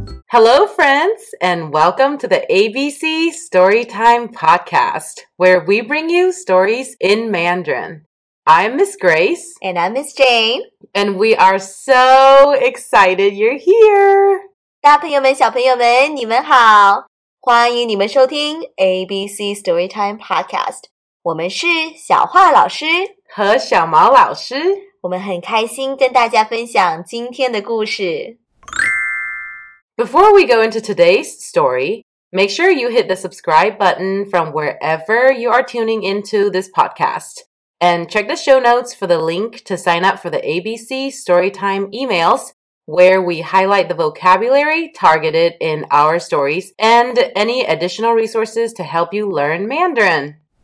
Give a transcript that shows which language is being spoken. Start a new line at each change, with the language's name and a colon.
English: Hello, friends, and welcome to the ABC Storytime Podcast, where we bring you stories in Mandarin. I'm Miss Grace. And I'm Miss Jane. And we are so excited you're here.
Chinese: 大朋友们, 小朋友们, 你们好。欢迎你们收听 ABC Storytime Podcast. 我们是小画老师和小毛老师。我们很开心跟大家分享今天的故事。
English: Before we go into today's story, make sure you hit the subscribe button from wherever you are tuning into this podcast. And check the show notes for the link to sign up for the ABC Storytime emails, where we highlight the vocabulary targeted in our stories and any additional resources to help you learn Mandarin.